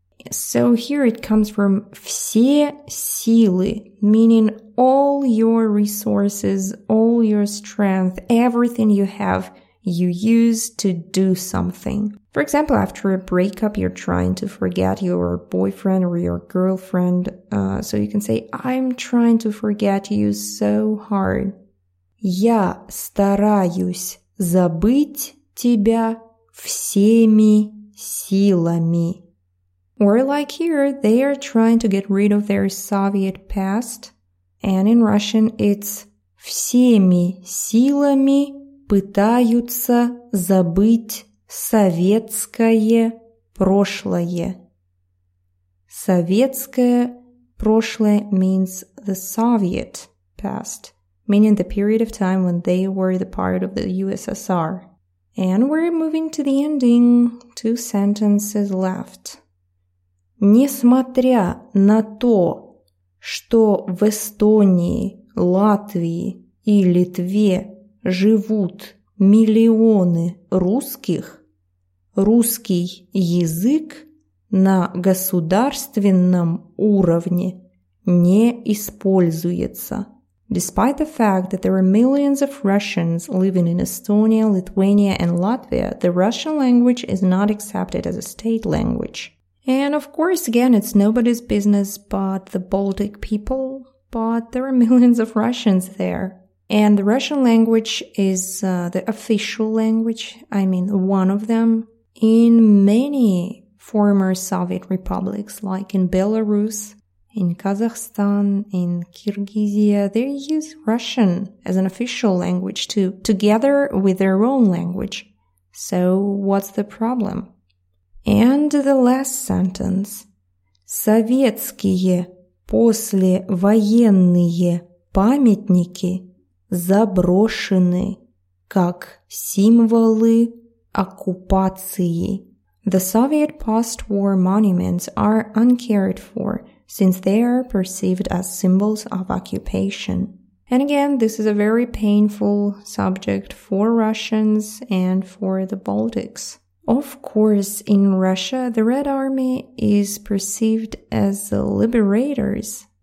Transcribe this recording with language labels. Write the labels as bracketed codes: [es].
[en] So here it comes from [ru] все силы, [en] meaning all your resources, all your strength, everything you have, you use to do something. For example, after a breakup, you're trying to forget your boyfriend or your girlfriend. So you can say, I'm trying to forget you so hard. [ru] Я стараюсь забыть тебя всеми силами. [en] Or like here, they are trying to get rid of their Soviet past. And in Russian, it's [ru] всеми силами пытаются забыть советское прошлое. Советское прошлое [en] means the Soviet past, meaning the period of time when they were the part of the USSR. And we're moving to the ending, two sentences left. [ru] Несмотря на то, что в Эстонии, Латвии и Литве живут миллионы русских, русский язык на государственном уровне не используется. [en] Despite the fact that there are millions of Russians living in Estonia, Lithuania, and Latvia, the Russian language is not accepted as a state language. And of course, again, it's nobody's business but the Baltic people, but there are millions of Russians there. And the Russian language is the official language, I mean one of them, in many former Soviet republics, like in Belarus. In Kazakhstan, in Kyrgyzstan, they use Russian as an official language too, together with their own language. So what's the problem? And the last sentence. [ru] Советские послевоенные памятники заброшены как символы оккупации. [en] The Soviet post-war monuments are uncared for since they are perceived as symbols of occupation. And again, this is a very painful subject for Russians and for the Baltics. Of course, in Russia, the Red Army is perceived as liberators.